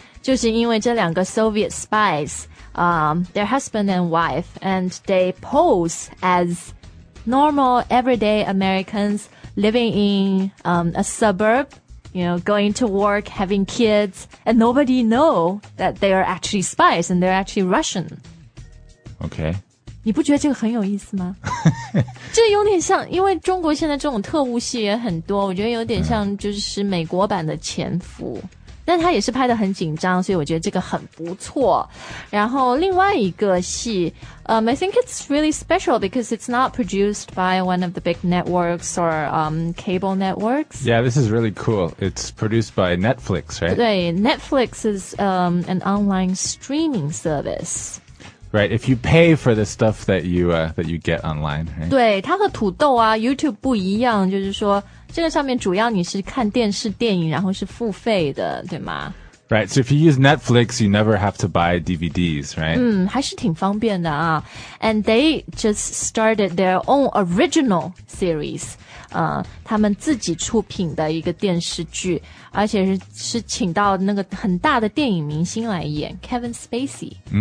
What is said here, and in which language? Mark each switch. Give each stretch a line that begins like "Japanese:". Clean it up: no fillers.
English: 就是因为这两个 Soviet spies,、their husband and wife, and they pose as normal, everyday Americans living in、a suburb,You know, going to work, having kids, and nobody know that they are actually spies and they're actually Russian. Okay.
Chinese: 你不觉得这个很有意思吗？这有点像，因为中国现在这种特务戏也很多，我觉得有点像就是美国版的潜伏。但他也是拍得很紧张，所以我觉得这个很不错。然后另外一个戏
English: I think it's really special because it's not produced by one of the big networks or cable networks. Yeah, this is really cool. It's produced by Netflix, right?
Chinese: 对
English: Netflix is an online streaming service. Right, if you pay for the stuff that you get online, right?
Chinese: 对它和土豆啊 YouTube 不一样，就是说这个上面主要你是看电视电影然后是付费的对吗？
English: Right, so if you use Netflix, you never have to buy DVDs, right?
Chinese: 还是挺方便的啊。
English: And they just started their own original series.
Chinese: 他们自己出品的一个电视剧，而且 是请到那个很大的电影明星来演 ,Kevin Spacey.